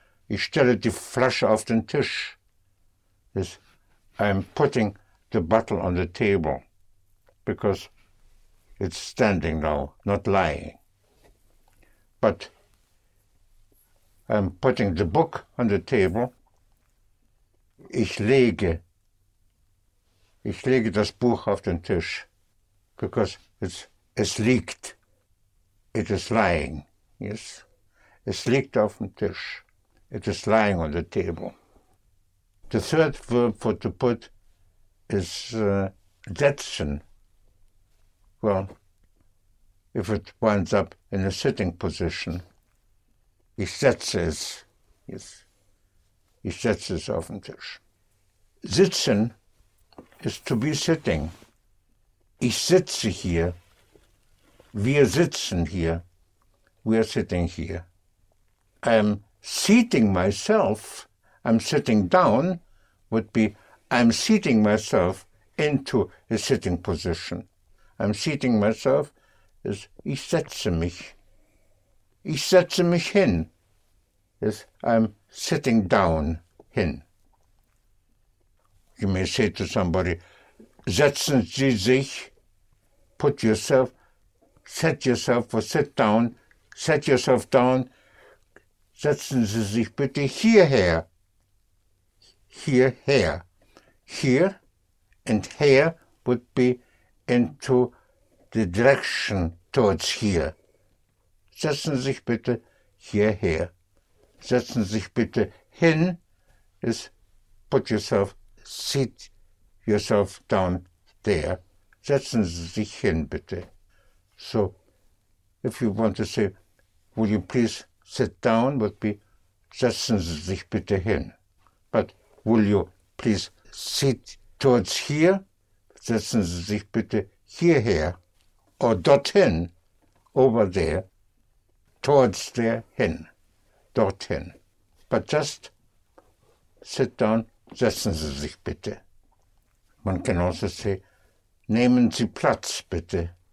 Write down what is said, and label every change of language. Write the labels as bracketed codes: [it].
[de] Ich stelle die Flasche auf den Tisch. [en] Is I'm putting the bottle on the table because it's standing now, not lying. But I'm putting the book on the table. [de] Ich lege das Buch auf den Tisch because es liegt. [en] It is lying. Yes. [de] Es liegt auf dem Tisch. [en] It is lying on the table. The third verb for to put is setzen. Well, if it winds up in a sitting position, [de] ich setze es. [en] Yes. [de] Ich setze es auf den Tisch. Sitzen [en] is to be sitting. [de] Ich sitze hier. Wir sitzen hier. [en] We are sitting here. I'm seating myself. I'm sitting down would be I'm seating myself into a sitting position. I'm seating myself is [de] ich setze mich. Ich setze mich hin [en] is I'm sitting down [de] hin. [en] You may say to somebody, [de] setzen Sie sich, [en] put yourself, set yourself or sit down, set yourself down, [de] setzen Sie sich bitte hierher. Hierher. [en] Here and here would be into the direction towards here. [de] Setzen Sie sich bitte hierher. Setzen Sie sich bitte hin [en] is put yourself, sit yourself down there. [de] Setzen Sie sich hin bitte. [en] So if you want to say, will you please sit down, would be [de] setzen Sie sich bitte hin. [en] But will you please sit towards here? [de] Setzen Sie sich bitte hierher. Or dorthin, [en] over there, towards there, [de] hin, dorthin. [en] But just sit down, [de] setzen Sie sich bitte. Man kann also say, nehmen Sie Platz bitte.